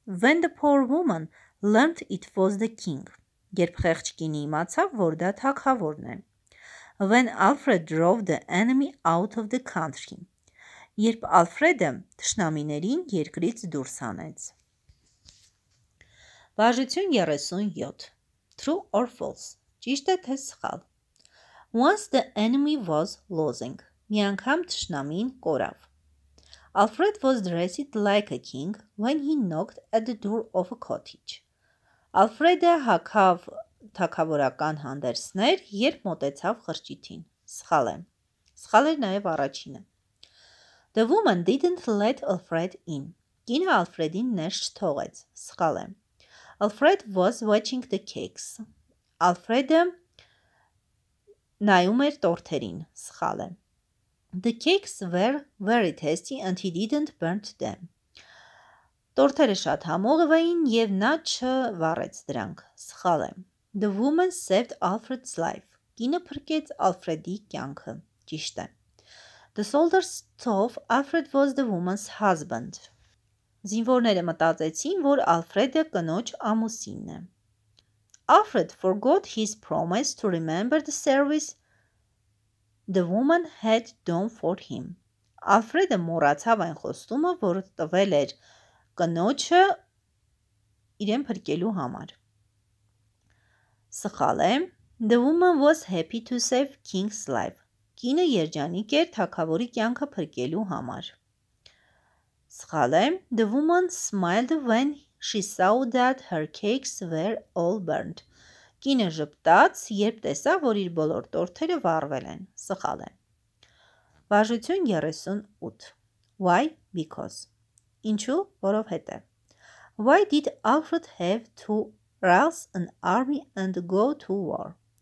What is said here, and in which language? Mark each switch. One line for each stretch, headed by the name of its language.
English: When the poor woman learned it was the king.
Armenian: Երբ խեղճ կինը իմացավ, որ դա թագավորն է.
English: When Alfred drove the enemy out of the country.
Armenian: Երբ Ալֆրեդը թշնամիներին երկրից դուրս հանեց. Վարժություն 37.
English: True or false.
Armenian: Ճիշտ է թե սխալ.
English: Once the enemy was losing.
Armenian: Մի անգամ թշնամին կորավ.
English: Alfred was dressed like a king when he knocked at the door of a cottage.
Armenian: Ալֆրեդը հակավ թագավորական հանդերձներ, երբ մոտեցավ խրճիթին. Սխալ է. Սխալ էր նաև առաջինը.
English: The woman didn't let Alfred in.
Armenian: Կինը Ալֆրեդին ներս չթողեց. Սխալ է.
English: Alfred was watching the cakes.
Armenian: Alfred-ը նայում էր տորթերին, սխալ է.
English: The cakes were very tasty and he didn't burn them.
Armenian: Տորթերը շատ համով էին և նա չվառեց դրանք, սխալ է.
English: The woman saved Alfred's life.
Armenian: Կինը փրկեց Ալֆրեդի կյանքը, ճիշտ է.
English: The soldiers thought Alfred was the woman's husband.
Armenian: Զինվորները մտածեցին, որ Ալֆրեդը կնոջ ամուսինն է.
English: Alfred forgot his promise to remember the service the woman had done for him.
Armenian: Ալֆրեդը մոռացավ այն խոստումը, որ տվել էր կնոջը իրեն փրկելու համար. Սխալ է.
English: The woman was happy to save King's life.
Armenian: Կինը երջանիկ էր թագավորի կյանքը փրկելու համար. Սխալ է.
English: The woman smiled when she saw that her cakes were all burnt.
Armenian: Կինը ժպտաց, երբ տեսավ, որ իր բոլոր տորթերը վառվել են. Սխալ է. Բաժություն 38.
English: Why? Because.
Armenian: Ինչու, որովհետև.
English: Why did Alfred have to rouse an army and go to war?